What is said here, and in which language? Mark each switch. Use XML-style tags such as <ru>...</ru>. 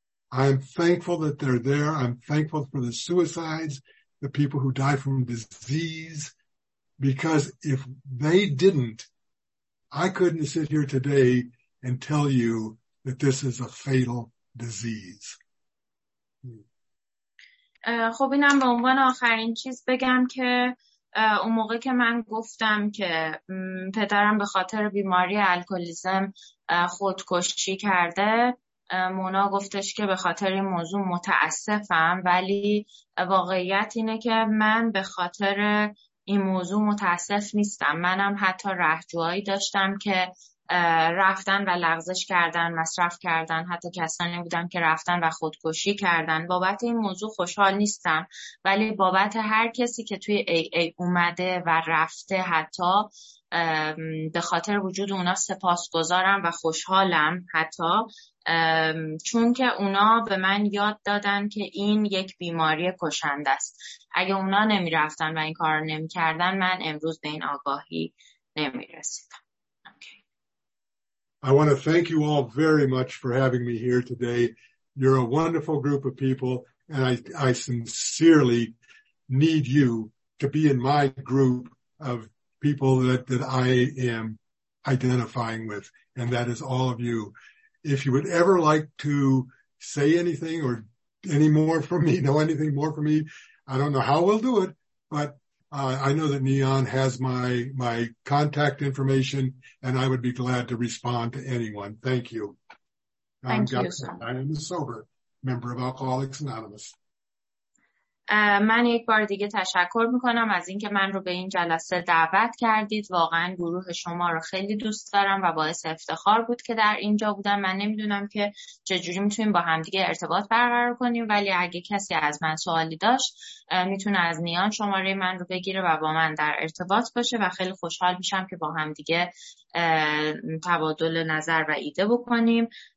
<en>I am thankful that they're there. I'm thankful for the suicides, the people who die from disease, because if they didn't, I couldn't sit here today and tell you that this is a fatal disease.</en> <fa>خب اینم به عنوان آخرین چیز بگم که اون موقع که من گفتم که پدرم به خاطر بیماری الکلیسم خودکشی کرده، مونا گفتش که به خاطر این موضوع متاسفم، ولی واقعیت اینه که من به خاطر این موضوع متاسف نیستم. منم حتی رهجوهایی داشتم که رفتن و لغزش کردن، مصرف کردن، حتی کسانی بودم که رفتن و خودکشی کردن. بابت این موضوع خوشحال نیستم، ولی بابت هر کسی که توی AA اومده و رفته حتی، به خاطر وجود اونا سپاسگزارم و خوشحالم، حتی چون که اونا به من یاد دادن که این یک بیماری کشنده است. اگه اونا نمی رفتن و این کار رو نمی کردن، من امروز به این آگاهی نمی رسیدم.</fa> <en>I want to thank you all very much for having me here today. You're a wonderful group of people, and I sincerely need you to be in my group of people that I am identifying with, and that is all of you. If you would ever like to say anything or any more from me, know anything more from me, I don't know how we'll do it, but I know that Neon has my contact information, and I would be glad to respond to anyone. Thank you. Thank you, sir. I am a sober member of Alcoholics Anonymous.</en> <fa>من یک بار دیگه تشکر میکنم از اینکه من رو به این جلسه دعوت کردید. واقعا گروه شما رو خیلی دوست دارم و باعث افتخار بود که در اینجا بودم. من نمیدونم که چجوری میتونیم با همدیگه ارتباط برقرار کنیم، ولی اگه کسی از من سوالی داشت میتونه از نیان شماره من رو بگیره و با من در ارتباط باشه و خیلی خوشحال میشم که با همدیگه تبادل نظر و ایده بکنیم.</fa>